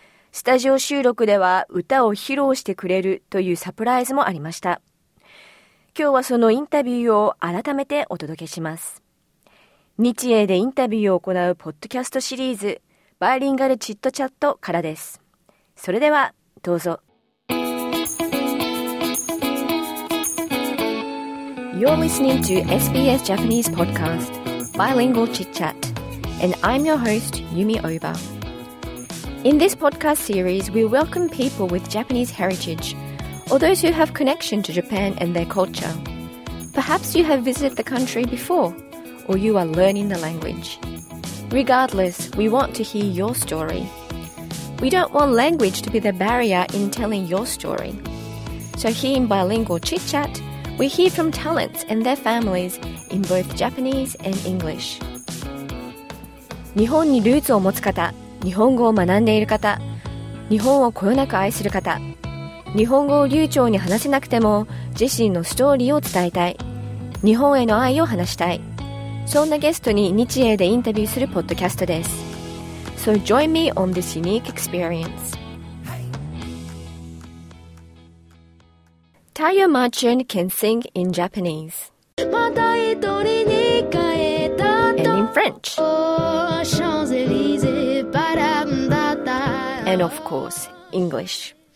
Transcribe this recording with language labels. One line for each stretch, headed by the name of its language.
Japanese: スタジオ収録では歌を披露してくれるというサプライズもありました。今日はそのインタビューを改めてお届けします。日英でインタビューを行うポッドキャストシリーズバイリンガルチットチャットからです。それではどうぞ。
English: You're listening to SBS Japanese Podcast Bilingual Chit Chat and I'm your host Yumi ObaIn this podcast series, we welcome people with Japanese heritage or those who have connection to Japan and their culture. Perhaps you have visited the country before or you are learning the language. Regardless, we want to hear your story. We don't want language to be the barrier in telling your story. So here in Bilingual Chit Chat, we hear from talents and their families in both Japanese and English.
Japanese: 日本にルーツを持つ方、日本語を学んでいる方、日本をこよなく愛する方、日本語を流暢に話せなくても自身のストーリーを伝えたい、日本への愛を話したい、そんなゲストに日英でインタビューするポッドキャストです。
English: So join me on this unique experience. 太陽マーチン can sing in Japanese また一人に帰った and in FrenchAnd of course, English.